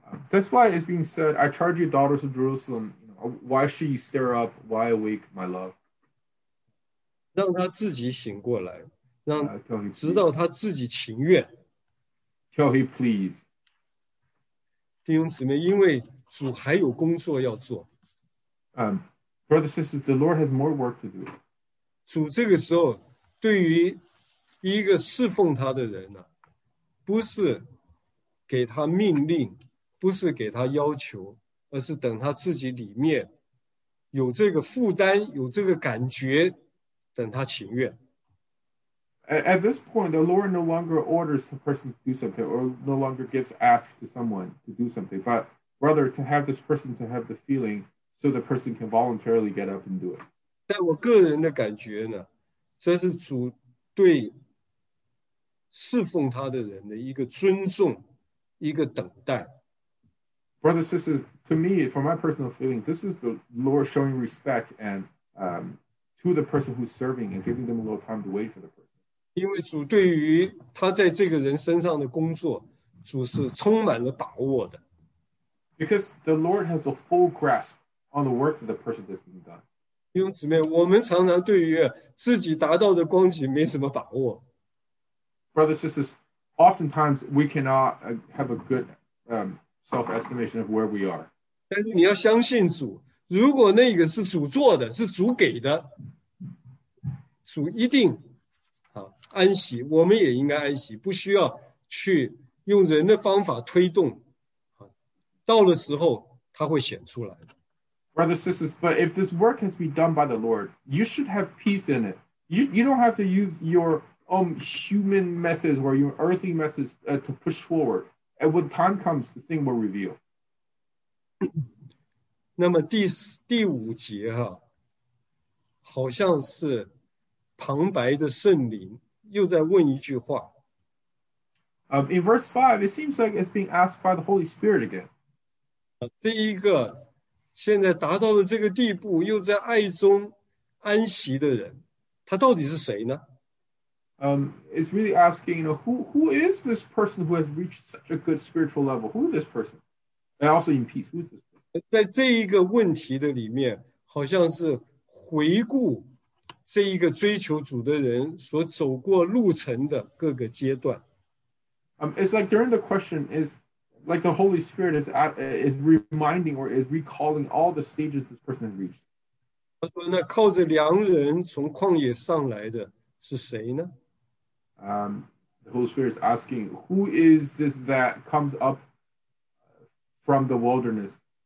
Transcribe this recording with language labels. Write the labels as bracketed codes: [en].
[en] That's why it's being said, I charge you daughters of Jerusalem, why should you stir up, why awake my love? [zh] 让他自己醒过来，让直到他自己情愿。 [en] Tell he please. [zh] 弟兄姊妹，因为主还有工作要做。 [en] Brothers and sisters, the Lord has more work to do. [zh] 主这个时候对于一个侍奉他的人呢，不是给他命令，不是给他要求，而是等他自己里面有这个负担，有这个感觉，等他情愿。 [en] At this point, the Lord no longer orders the person to do something, or no longer gives ask to someone to do something, but rather to have this person to have the feeling so the person can voluntarily get up and do it. [zh] 在我个人的感觉呢，这是主对侍奉他的人的一个尊重，一个等待。 [en] Brothers and sisters, to me, from my personal feeling, this is the Lord showing respect and to the person who's serving and giving them a little time to wait for the person. [zh] 因为主对于他在这个人身上的工作，主是充满了把握的。 [en] Because the Lord has a full grasp on the work of the person that's being done. [zh] 弟兄姊妹，我们常常对于自己达到的光景没什么把握。 [en] Brothers and sisters, oftentimes we cannot have a good self-estimation of where we are. [zh] 但是你要相信主，如果那个是主做的，是主给的，主一定安息，我们也应该安息，不需要去用人的方法推动，到了时候他会显出来的。 [en] Brothers and sisters, but if this work has been done by the Lord, you should have peace in it. You don't have to use your own human methods or your earthly methods to push forward. And when time comes, the thing will reveal. [zh] 那么第五节哈，好像是旁白的圣灵又在问一句话。 [en] In verse 5, it seems like it's being asked by the Holy Spirit again. [zh] 这一个现在达到了这个地步，又在爱中安息的人，他到底是谁呢？ [en] It's really asking, you know, who is this person who has reached such a good spiritual level? Who is this person? And also in peace, who is this person? [zh] 在这一个问题的里面，好像是回顾这一个追求主的人所走过路程的各个阶段。 [en] It's like during the question, is like the Holy Spirit is reminding or is recalling all the stages this person has reached. [zh] 他说呢，靠着良人从旷野上来的是谁呢？ [en] The Holy Spirit is asking, who is this that comes up from the wilderness?